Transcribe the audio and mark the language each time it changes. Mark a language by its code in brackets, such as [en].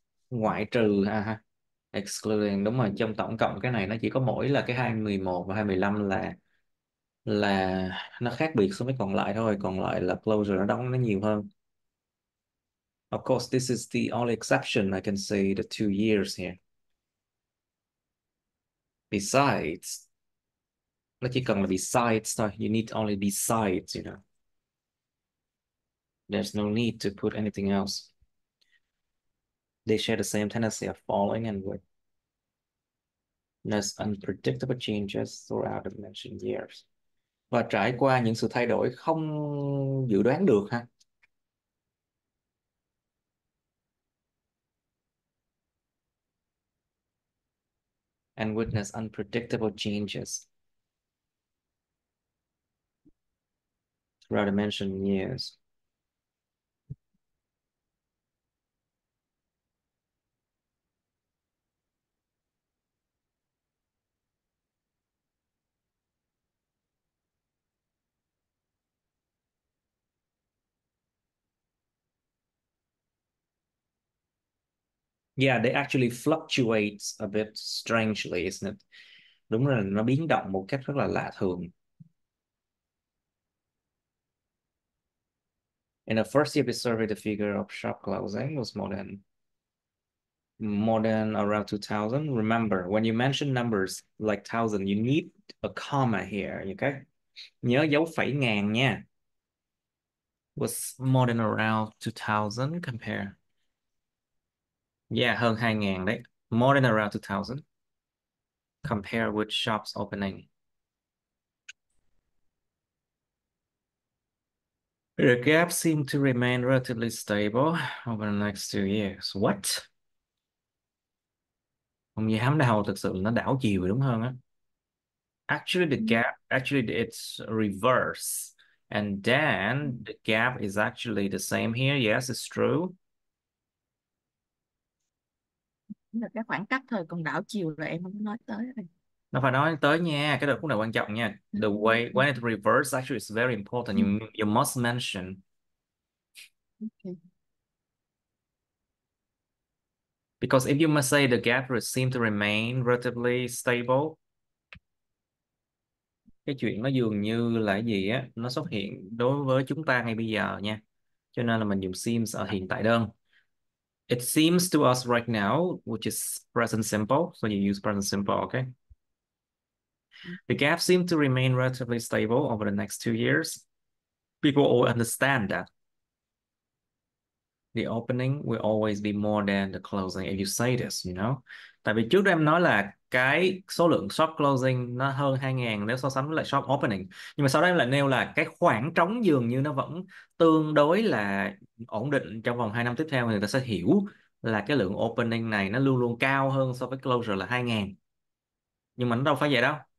[vi] Ngoại trừ ha excluding đúng rồi, trong tổng cộng cái này nó chỉ có mỗi là cái 2011 và 2015 là nó khác biệt so với còn lại thôi, còn lại là closure nó đóng nó nhiều hơn. [en] Of course this is the only exception I can see the 2 years here. Besides, [vi] nó chỉ cần là besides thôi, [en] you need only besides, there's no need to put anything else. They share the same tendency of falling and with less unpredictable changes throughout the mentioned years. [vi] Và trải qua những sự thay đổi không dự đoán được ha. [en] And witness unpredictable changes throughout the mentioned years. Yeah, they actually fluctuate a bit strangely, isn't it? [vi] Đúng là nó biến động một cách rất là lạ thường. [en] In the first year of the survey, the figure of shop closing was more than around 2,000. Remember, when you mention numbers like 1,000, you need a comma here, okay? [vi] Nhớ dấu phẩy ngàn nha. [en] Was more than around 2,000 compare. Yeah, [vi] hơn 2.000 đấy. [en] More than around 2,000. Compare with shops opening. The gap seemed to remain relatively stable over the next 2 years. What? [vi] Không dám đâu, thực sự nó đảo chiều đúng hơn á. [en] Actually, it's reverse. And then the gap is actually the same here. Yes, it's [vi] Là cái khoảng cách thời còn đảo chiều là em không có nói tới nó phải nói tới nha, cái đó cũng là quan trọng nha. đây. [en] The way when it reverse actually is very important. You must mention. Because if you must say the gap will seem to remain relatively stable, [vi] cái chuyện nó dường như là gì á, nó xuất hiện đối với chúng ta ngay bây giờ nha. Cho nên là mình dùng seems ở hiện tại đơn. [en] It seems to us right now, which is present simple. So you use present simple, okay? The gap seems to remain relatively stable over the next 2 years. People all understand that. The opening will always be more than the closing if you say this, [vi] Tại vì trước đây em nói là cái số lượng shop closing nó hơn 2.000 nếu so sánh với lại shop opening. Nhưng mà sau đó em lại nêu là cái khoảng trống dường như nó vẫn tương đối là ổn định trong vòng 2 năm tiếp theo, thì người ta sẽ hiểu là cái lượng opening này nó luôn luôn cao hơn so với closure là 2.000. Nhưng mà nó đâu phải vậy đâu.